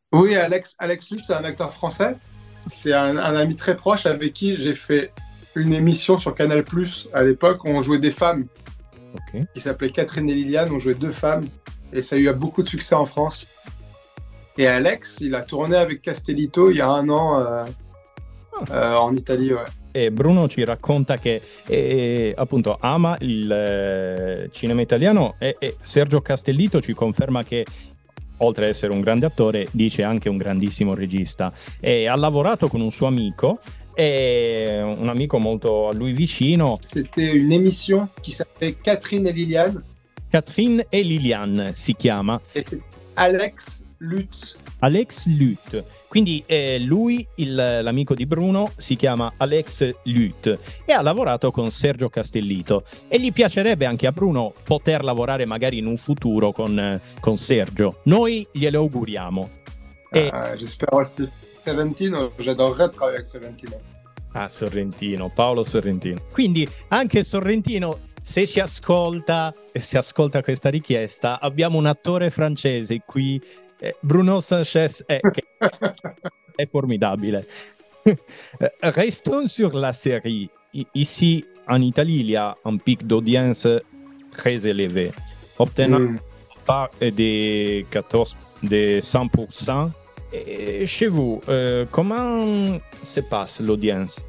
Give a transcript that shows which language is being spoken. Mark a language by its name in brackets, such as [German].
[French] Oui, Alex Lutz, c'est un acteur français. C'est un ami très proche avec qui j'ai fait une émission sur Canal+, à l'époque, où on jouait des femmes. Okay. Il s'appelait Catherine et Liliane, on jouait deux femmes. Et ça a eu beaucoup de succès en France. Et Alex, il a tourné avec Castellitto il y a un an en Italie. Ouais. [Italian] Et Bruno ci racconta che appunto ama il cinema italiano. E Sergio Castellitto ci conferma che oltre ad essere un grande attore, dice anche un grandissimo regista. E ha lavorato con un suo amico, e un amico molto a lui vicino. [French] C'était une émission qui s'appelait Catherine et Liliane. [Italian] Catherine et Liliane si chiama. Alex Lutz. Alex Lutz. Quindi lui, l'amico di Bruno, si chiama Alex Lutz e ha lavorato con Sergio Castellitto. E gli piacerebbe anche a Bruno poter lavorare magari in un futuro con Sergio. Noi glielo auguriamo. Spero sì. [French] Sorrentino, j'adorerais travailler avec Sorrentino. Ah, Sorrentino, Paolo Sorrentino. [Italian] Quindi anche Sorrentino, se ci ascolta e si ascolta questa richiesta, abbiamo un attore francese qui... Bruno Sanchez è formidabile. [French] Restons sur la série. Ici, en Italie, il y a un pic d'audience très élevé. Obtenant pas de 100%. Et chez vous, comment se passe l'audience?